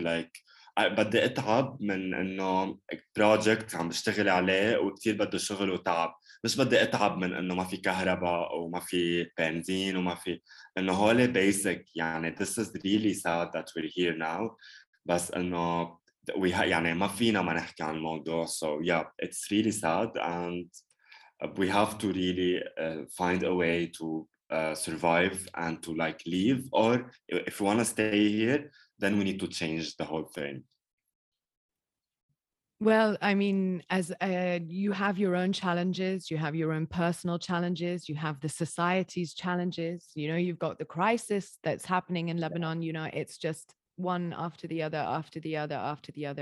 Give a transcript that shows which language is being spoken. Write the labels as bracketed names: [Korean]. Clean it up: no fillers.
[Arabic] Like, بدي أتعب من إنه project عم بشتغل عليه وكتير بدي شغل وتعب. مش بدي أتعب من إنه ما في كهرباء وما في بنزين وما في إنه هولي basic. [English] يعني this is really sad that we're here now. [Arabic] بس إنه [English] we have, [Arabic] يعني ما فينا ما نحكي عن الموضوع. [English] So yeah, it's really sad, and we have to really find a way to survive and to like leave, or if we want to stay here, then we need to change the whole thing. Well, I mean, as you have your own challenges, you have your own personal challenges, you have the society's challenges, you know, you've got the crisis that's happening in Lebanon, you know, it's just one after the other, after the other, after the other.